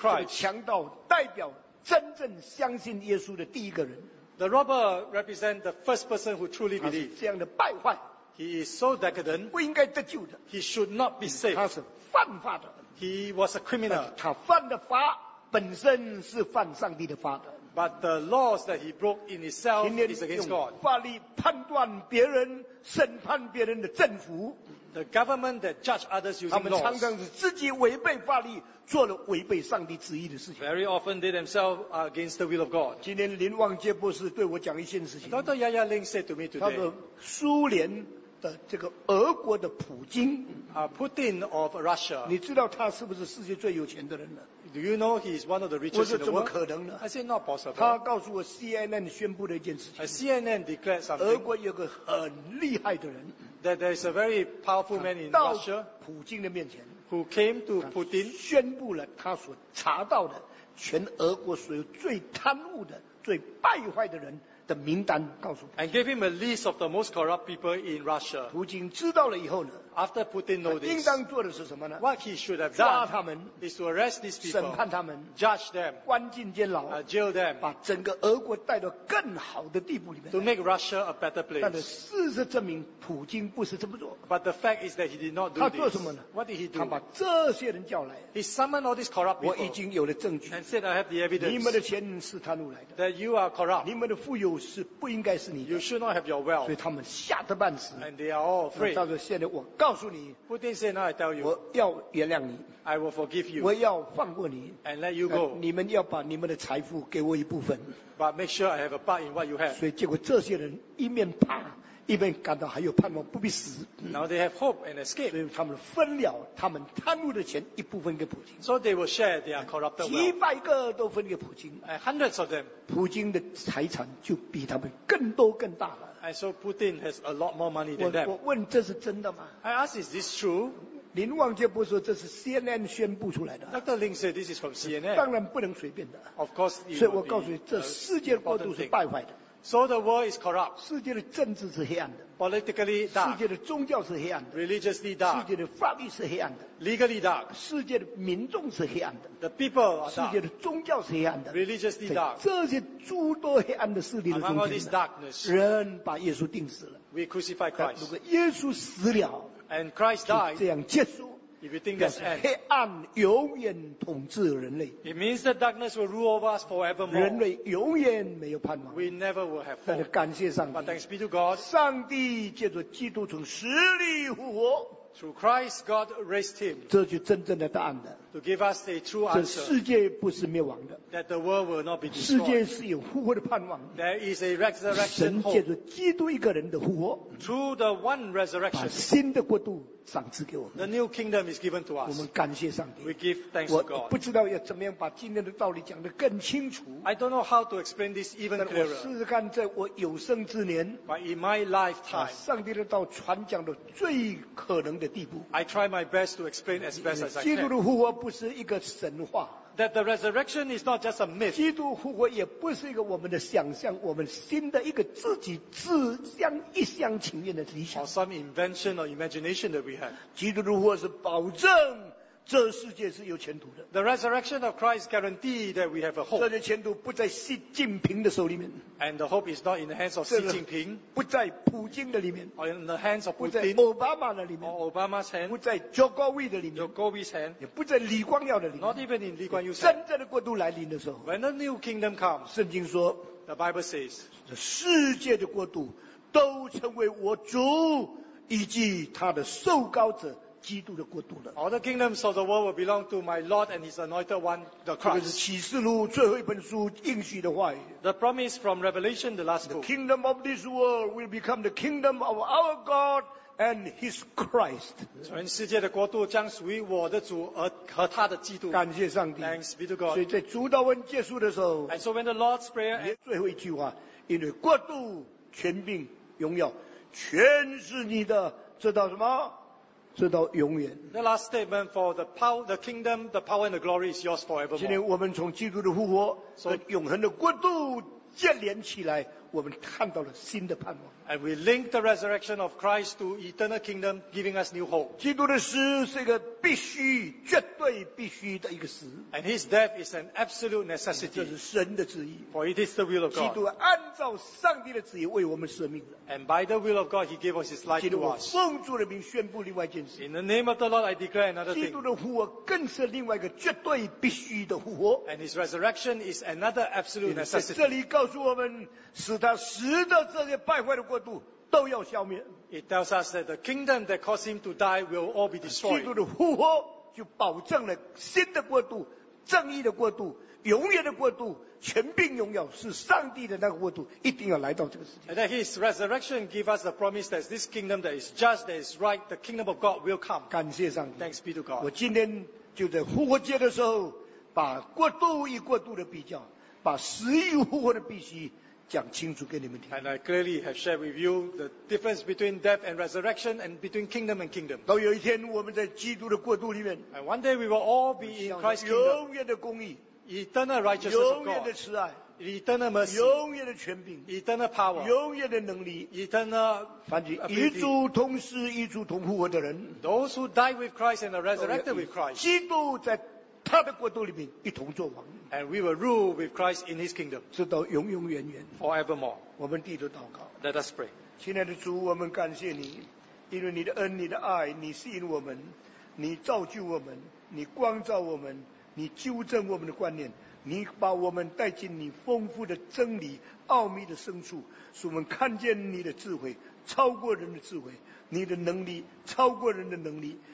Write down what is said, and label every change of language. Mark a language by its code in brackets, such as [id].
[zh] 所以这个强盗代表真正相信耶稣的第一个人。 [en] The robber represents the first person who truly believes. [zh] 这样的败坏。 [en] He is so decadent. [zh] 不应该得救的。 [en] He should not be saved. [zh] 他是犯法的。 [en] He was a criminal. [zh] 他犯的法本身是犯上帝的法的。 [en] But the laws that he broke in itself is against God. [zh] 今天用法律判断别人审判别人的政府 [en] The government that judge others using laws. [zh] 他们常常是自己违背法律做了违背上帝旨意的事情 [en] Very often they themselves are against the will of God. [zh] 今天林旺杰博士对我讲一件事情 [en] Dr. Yaya Ling said to me today. [zh] 他说苏联这个俄国的普京 [en] Putin of Russia， [zh] 你知道他是不是世界最有钱的人呢？ [en] Do you know he is one of the richest in the world？ [zh] 我说怎么可能呢？ [en] I said not possible。 [zh] 他告诉我 CNN 宣布了一件事情。 [en] CNN declared something。 [zh] 俄国有个很厉害的人。 [en] That there is a very powerful man in Russia。 [zh] 普京的面前。 [en] Who came to Putin？ [zh] 宣布了他所查到的全俄国所有最贪污的、最败坏的人。的名单告诉 [en] And gave him a list of the most corrupt people in Russia. [zh] 普京知道了以后呢 [en] After Putin knows this, [zh] 应当做的是什么呢 [en] What he should have done [zh] 抓他们 [en] is to arrest these people, [zh] 审判他们 [en] judge them, [zh] 关进监牢 [en] jail them, [zh] 把整个俄国带到更好的地步里面 [en] to make Russia a better place. [zh] 但事实证明普京不是这么做 [en] But the fact is that he did not do this. [zh] 他做什么呢 [en] What did he do? [zh] 他把这些人叫来 [en] He summoned all these corrupt people. [zh] 我已经有了证据 [en] And said I have the evidence. [zh] 你们的钱是贪污来的 [en] That you are corrupt. [zh] 你们的富有是不应该是你的 [en] you should not have your wealth. [zh] 所以他们吓得半死 [en] And they are all afraid. [zh] 但是现在我告诉你 [en] Putin said, now I tell you, [zh] 我要原谅你 [en] I will forgive you. [zh] 我要放过你 [en] And let you go. [zh] 你们要把你们的财富给我一部分 [en] But make sure I have a part in what you have. [zh] 所以结果这些人一面怕一边感到还有盼望不必死 [en] Now they have hope and escape. [zh] 所以他们分了他们贪污的钱一部分给普京 [en] So they will share their corrupt wealth. [zh] 几百个都分给普京 [en] Hundreds of them. [zh] 普京的财产就比他们更多更大了 [en] And so Putin has a lot more money than them. [zh] 我问这是真的吗 [en] I ask is this true? [zh] 林旺杰不说这是 CNN 宣布出来的 [en] Dr. Ling said this is from CNN. [zh] 当然不能随便的 [en] Of course, it will be [zh] 所以我告诉你这世界的国度是败坏的 [en] So the world is corrupt. [zh] 世界的政治是黑暗的。 [en] Politically dark. [zh] 世界的宗教是黑暗的。 [en] Religiously dark. [zh] 世界的法律是黑暗的。 [en] Legally dark. [zh] 世界的民众是黑暗的。 [en] The people are dark. [zh] 世界的宗教是黑暗的。 [en] Religiously dark. [zh] 这些诸多黑暗的势力的中间。 [en] Among all this darkness. [zh] 人把耶稣钉死了。 [en] We crucify Christ. [zh] 如果耶稣死了。 [en] And Christ died. [zh] 这样结束。 [en] If you think that's end. [zh] 黑暗永远统治人类。 [en] It means that darkness will rule over us forevermore. [zh] 人类永远没有盼望。 [en] We never will have hope. [zh] 但感谢上帝。 [en] But thanks be to God. [zh] 上帝借着基督从死里复活。 [en] Through Christ, God raised him. [zh] 这就真正的答案的。 [en] To give us a true answer. [zh] 这世界不是灭亡的。 [en] That the world will not be destroyed. [zh] 世界是有复活的盼望。 [en] There is a resurrection. [zh] 神借着基督一个人的复活。 [en] Through the one resurrection. [zh] 把新的国度赏赐给我们。 [en] The new kingdom is given to us. [zh] 我们感谢上帝。 [en] We give thanks to God. [zh] 我不知道要怎么样把今天的道理讲得更清楚。 [en] I don't know how to explain this even clearer. [zh] 但我试试看，在我有生之年。 [en] But in my lifetime. [zh] 把上帝的道传讲到最可能的地步。 [en] I try my best to explain as best as I can. [zh] 基督的复活不是一个神话。 [en] That the resurrection is not just a myth. [zh] 基督复活也不是一个我们的想象，我们新的一个自己自相一厢情愿的理想。 [en] Or some invention or imagination that we have. [zh] 基督复活是保证这世界是有前途的。 [en] The resurrection of Christ guarantee that we have a hope. [zh] 这些前途不在习近平的手里面。 [en] And the hope is not in the hands of Xi Jinping. [zh] 不在普京的里面。 [en] Or in the hands of Putin. [zh] 不在奥巴马的里面。 [en] Or Obama's hand. [zh] 不在 Jokowi 的里面。 [en] Jokowi's hand. [zh] 也不在李光耀的里面。 [en] Not even in Lee Kuan Yew's hand. [zh] 真正的国度来临的时候。 [en] When the new kingdom comes. [zh] 圣经说。 [en] The Bible says. [zh] 世界的国度都成为我主以及他的受膏者。基督的国度了。 [en] All the kingdoms of the world will belong to my Lord and His anointed one, the Christ. [zh] 这是启示录最后一本书应许的话语。 [en] The promise from Revelation, the last book. The kingdom of this world will become the kingdom of our God and His Christ. [zh] 全世界的国度将属于我的主和他的基督。感谢上帝。 [en] Thanks be to God. [zh] 所以在主祷文结束的时候。 [en] And so when the Lord's prayer. [zh] 最后一句话，因为国度、权柄、荣耀，全是你的，知道什么？直到永远。 [en] The last statement for the power, the kingdom, the power and the glory is yours forever. [zh] 今天我们从基督的复活和永恒的国度建立起来，我们看到了新的盼望。 [en] And we link the resurrection of Christ to eternal kingdom, giving us new hope. [zh] 基督的死是一个必须、绝对必须的一个死。 [en] And His death is an absolute necessity. [zh] 这是神的旨意。 [en] For it is the will of God. [zh] 基督按照上帝的旨意为我们舍命的。 [en] And by the will of God, He gave us His life to us. [zh] 奉主的名宣布另外一件事。 [en] In the name of the Lord, I declare another thing. [zh] 基督的复活更是另外一个绝对必须的复活。 [en] And His resurrection is another absolute necessity. [zh] 这里告诉我们，使他死的这些败坏的国度都要消灭。 [en] It tells us that the kingdom that caused him to die will all be destroyed. [zh] 基督的复活就保证了新的国度、正义的国度、永远的国度，权柄荣耀是上帝的那个国度，一定要来到这个世界。 [en] And that His resurrection give us the promise that this kingdom that is just, that is right, the kingdom of God will come. [zh] 感谢上帝。 [en] Thanks be to God. [zh] 我今天就在复活节的时候，把国度与国度的比较，把死与复活的比喻讲清楚给你们听。 [en] And I clearly have shared with you the difference between death and resurrection and between kingdom and kingdom. [zh] 到有一天我们在基督的国度里面。 [en] And one day we will all be in Christ's kingdom. [zh] 永远的公义。 [en] Eternal righteousness of God. [zh] 永远的慈爱。 [en] Eternal mercy. [zh] 永远的权柄。 [en] Eternal power. [zh] 永远的能力。 [en] Eternal ability. [zh] 与主同死与主同复活的人。 [en] Those who died with Christ and are resurrected with Christ. [zh] 基督在他的国度里面一同作王。 [en] And we will rule with Christ in His kingdom. [zh] 直到永永远远。 [en] Forevermore. [zh] 我们低头祷告。 [en] Let us pray. [zh] 亲爱的主，我们感谢你，因为你的恩，你的爱，你吸引我们，你造就我们，你光照我们，你纠正我们的观念，你把我们带进你丰富的真理、奥秘的深处，使我们看见你的智慧超过人的智慧，你的能力超过人的能力。